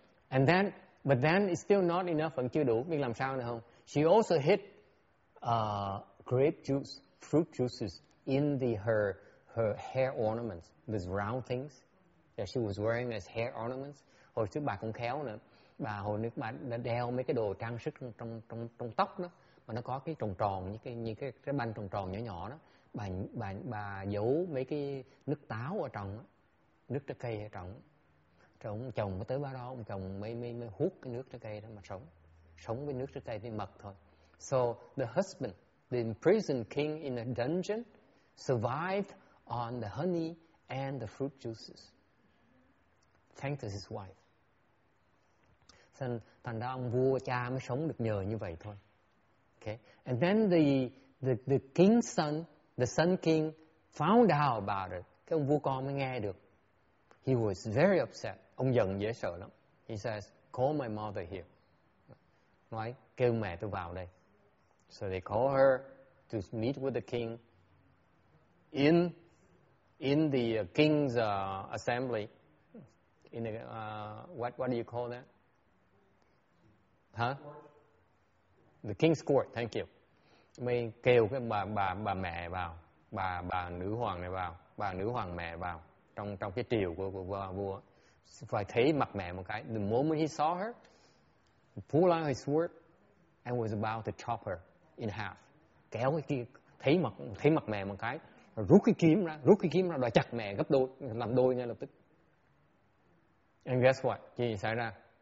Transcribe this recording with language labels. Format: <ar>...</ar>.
<en>And then but then it's still not enough,</en> <vi>vẫn chưa đủ. Nhưng làm sao nữa không?</vi> <en>She also hid grape juice, fruit juices in the her hair ornaments, these round things that she was wearing as hair ornaments.</en> <vi>Hồi trước bà cũng khéo nữa. Bà hồi nước bà đã đeo mấy cái đồ trang sức trong tóc đó, mà nó có cái tròn tròn như cái banh tròn tròn nhỏ nhỏ đó. Bà giấu mấy cái nước táo ở trong đó, nước trái cây ở trong. Rồi ông chồng mới tới bà đó, ông chồng mới hút cái nước trái cây đó mà sống với nước trái cây với mật thôi.</vi> <en>So the husband, the imprisoned king in a dungeon, survived on the honey and the fruit juices, thanks to his wife.</en> <vi>Thành ra ông vua cha mới sống được nhờ như vậy thôi.</vi> <en>Okay. And then the king's son, the sun king, found out about it.</en> <vi>Cái ông vua con mới nghe được.</vi> <en>He was very upset.</en> <vi>Ông giận dễ sợ lắm.</vi> <en>He says, call my mother here.</en> <vi>Nói, kêu mẹ tôi vào đây.</vi> <en>So they call her to meet with the king in the king's assembly. In the, what do you call that? Huh? The king's court, thank you.</en> <vi>Mới kêu cái bà mẹ vào, bà nữ hoàng này vào, bà nữ hoàng mẹ vào trong cái triều của vua. Phải thấy mặt mẹ một cái.</vi> <en>The moment he saw her, he pulled out his sword and was about to chop her in half.</en> <vi>Kéo cái kia, thấy mặt mẹ một cái, rút cái kiếm ra, đòi chặt mẹ gấp đôi, làm đôi ngay lập tức.</vi> <en>And guess what?</en> <vi>Chuyện gì xảy ra?</vi>